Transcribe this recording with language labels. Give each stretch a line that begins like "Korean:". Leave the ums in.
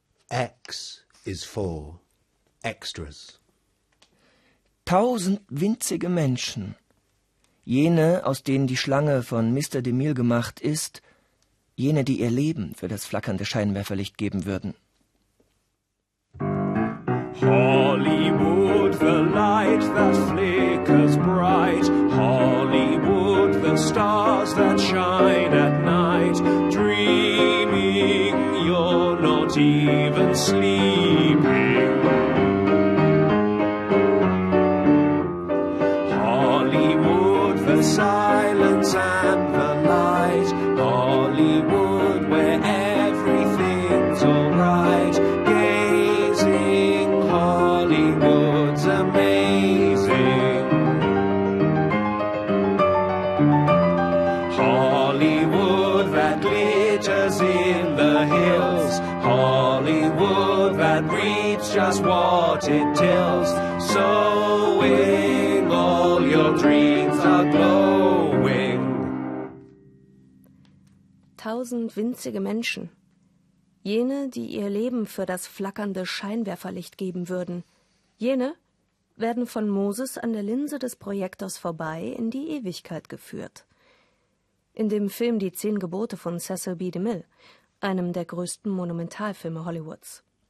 English: X is for extras.
German: Tausend winzige Menschen. Jene, aus denen die Schlange von Mr. DeMille gemacht ist, jene, die ihr Leben für das flackernde Scheinwerferlicht geben würden.
English: Hollywood of the light that flickers bright, Hollywood, the stars that shine at night, dreaming you're not even sleeping. Hollywood, the silence and the light. Hollywood, where everything's alright. Gazing, Hollywood's amazing. Hollywood that glitters in the hills. Hollywood that reaps just what it tills. Sowing all your dreams are glowing.
German: Tausend winzige Menschen. Jene, die ihr Leben für das flackernde Scheinwerferlicht geben würden. Jene werden von Moses an der Linse des Projektors vorbei in die Ewigkeit geführt. In dem Film Die Zehn Gebote von Cecil B. DeMille, einem der größten Monumentalfilme Hollywoods.